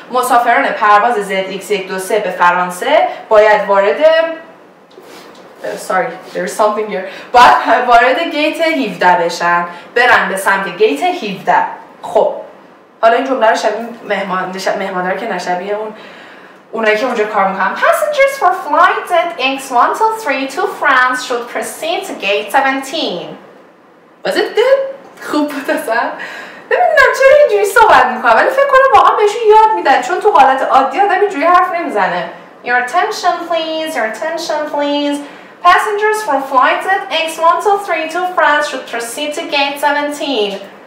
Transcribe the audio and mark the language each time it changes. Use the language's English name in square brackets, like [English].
[Persian] مسافران پرواز ZX123 به فرانسه باید وارد باید وارد گیت 17 بشن. برن به سمت گیت 17. خب حالا این جمله رو شبیه مهمان داره که نشبیه اون اونایی که اونجا کار میکنم. [English] Passengers for flight ZX123 to France should proceed to gate 17. Was it good? [Persian] خوب بود اصلا؟ نمیدونم چرا اینجوری صحبت میکنم، ولی فکر کنم واقعا بهشون یاد میدن، چون تو حالت عادی آدم اینجوری حرف نمیزنه. [English] Your attention please. Passengers for flight ZX123 to France should proceed to gate 17.